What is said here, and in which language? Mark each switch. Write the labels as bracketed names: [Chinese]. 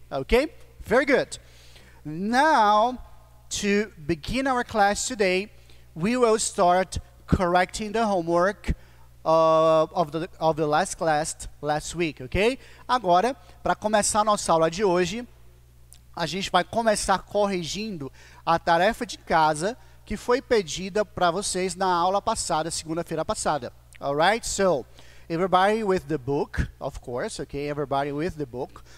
[English] Okay, very good. Now, to begin our class today, we will start correcting the homework of the last class last week. Okay. [Portuguese] Agora, para começar nossa aula de hoje, a gente vai começar corrigindo a tarefa de casa que foi pedida para vocês na aula passada, segunda-feira passada. [English] All right? So, everybody with the book, of course, okay? Everybody with the book.